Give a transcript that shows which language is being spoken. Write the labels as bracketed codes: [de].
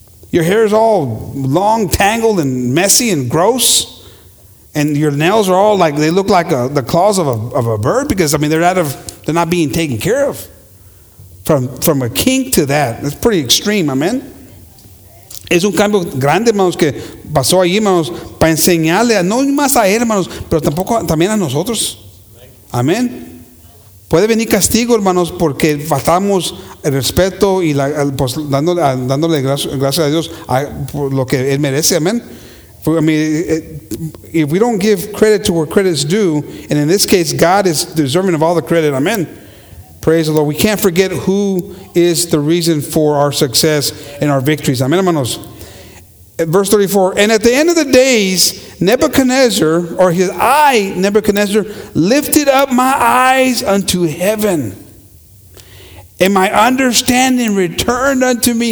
[en] Your hair is all long, tangled, and messy, and gross. And your nails are all like, they look like the claws of a bird, because, I mean, they're not being taken care of. From a king to that, that's pretty extreme, amen? [es] Es un cambio grande, hermanos, que pasó allí, hermanos, para enseñarle, no más a él, hermanos, pero tampoco también a nosotros. Amén. Puede venir castigo, hermanos, porque faltamos el respeto y pues, dándole gracias a Dios por lo que él merece. Amén. [en] I mean, if we don't give credit to where credit is due, and in this case, God is deserving of all the credit. Amén. Praise the Lord. We can't forget who is the reason for our success and our victories. [es] Amén, hermanos. [en] Verse 34, and at the end of the days, Nebuchadnezzar lifted up my eyes unto heaven, and my understanding returned unto me.